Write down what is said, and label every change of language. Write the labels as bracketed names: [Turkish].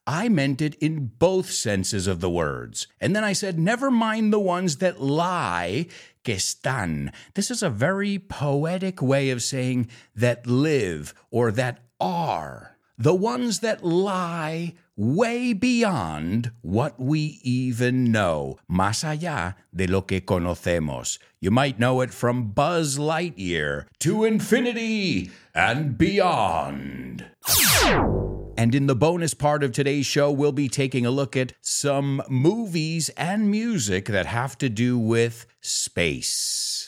[English] I meant it in both senses of the words. And then I said, never mind the ones that lie, [Spanish] que están. [English] This is a very poetic way of saying that live or that are. The ones that lie way beyond what we even know. [Spanish] Más allá de lo que conocemos. [English] You might know it from Buzz Lightyear to infinity and beyond. And in the bonus part of today's show, we'll be taking a look at some movies and music that have to do with space.